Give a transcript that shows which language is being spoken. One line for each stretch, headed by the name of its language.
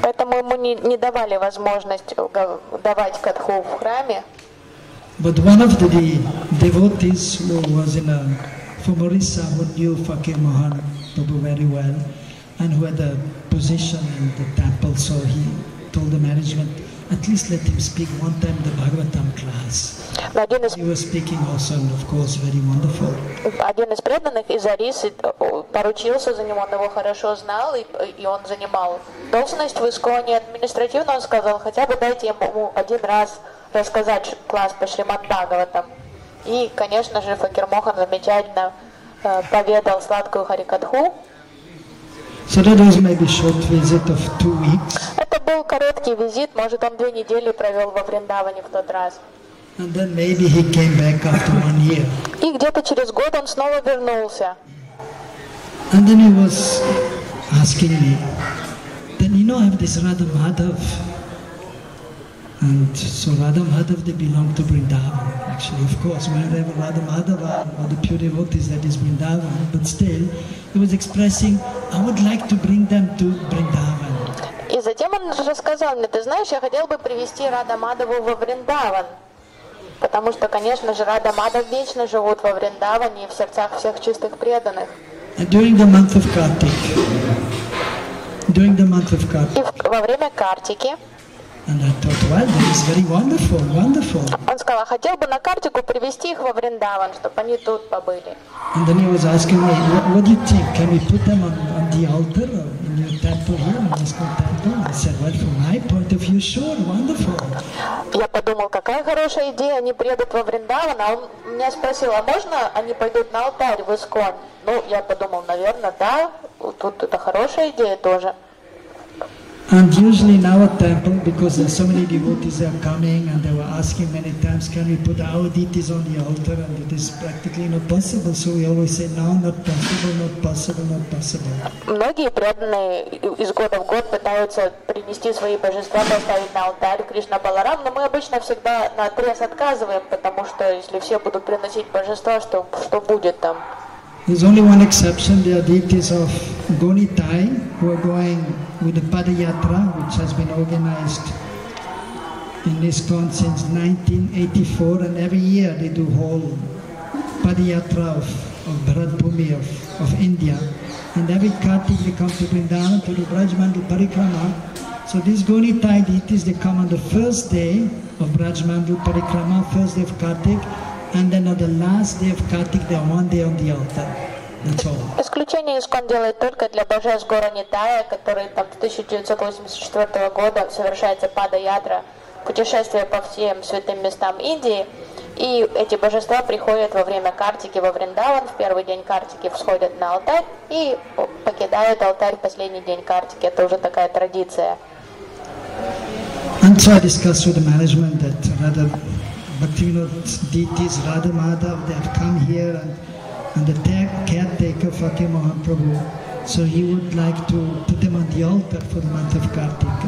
Russian: Поэтому ему не давали возможность давать катху в храме.
English: But one of the devotees who was in a from Orissa, who knew Fakir Mohan Prabhu very well and who had a position in the temple, so he told the management, at least let him speak one time the Bhagavatam class. He was speaking also, and of course, very wonderful.
Russian: Один из преданных из Орисы поручился за него, он его хорошо знал, и он занимал должность в Исконе административно, он сказал, хотя бы дайте ему один раз рассказать класс по Шримад Бхагаватам. И, конечно же, Факир Мохан замечательно поведал сладкую харикатху.
English: So that was maybe short visit of 2 weeks.
Russian: Это был короткий визит, может, он 2 недели провел во Вриндаване в тот раз.
English: And then maybe he came back after 1 year.
Russian: И где-то через год он снова вернулся.
English: And then he was asking me, then you know I have this Radha Madhav, and so Radha Madhav they belong to Vrindavan. Actually, of course, wherever Radha Madhav are, all the pure devotees, that is Vrindavan, but still. He was expressing, I would like to bring them to Vrindavan.
Russian: И затем он уже сказал мне, ты знаешь, я хотел бы привести Радха Мадхаву во Вриндаван. Потому что, конечно же, Радха Мадхав вечно живут во Вриндаване и в сердцах всех чистых преданных.
English: And during the month of Kartik. During the month of Kartik.
Russian: Во время Картики.
English: And I thought, well, that is very wonderful, wonderful.
Russian: Он сказал, хотел бы на Картику привести их во Вриндаван, чтобы они тут побыли.
English: And then he was asking me, what do you think? Can we put them on the altar in your temple here, in this temple? I said, well, from my point of view, sure, wonderful.
Russian: Я подумал, какая хорошая идея, они приедут во Вриндаван. А он меня спросил, а можно они пойдут на алтарь в Искон? Ну, я подумал, наверное, да, тут это хорошая идея тоже.
English: And usually in our temple, because there are so many devotees that are coming and they were asking many times, can we put our deities on the altar, and it is practically not possible. So we always say, no, not possible, not possible, not possible.
Russian: Многие преданные из года в год пытаются принести свои божества, поставить на алтарь Кришна Баларам, но мы обычно всегда наотрез отказываем, потому что если все будут приносить божества, что будет там?
English: There's only one exception, the deities of Gonitai, who are going with the Padayatra, which has been organized in ISKCON since 1984, and every year they do whole Padayatra of Bharat Bhumi of India. And every Kartik they come to Vrindavan to do Braj Mandal Parikrama. So these Gonitai deities, they come on the first day of Braj Mandal Parikrama, first day of Kartik, and then on the last day of Kartik, they are one day on the altar.
Russian: Исключение ИСКОН делает только для божеств гора Нитая, который там с 1984 года совершается Падаятра, путешествие по всем святым местам Индии. И эти божества приходят во время Картики во Вриндаван, в первый день Картики всходят на алтарь и покидают алтарь в последний день Картики. Это уже такая традиция.
English: And so I discussed with the management that rather Bhaktivinoda deities, Radha Madhav, they have come here and the caretaker Fakir Mohan Prabhu, so he would like to put them on the altar for the month of Kartik.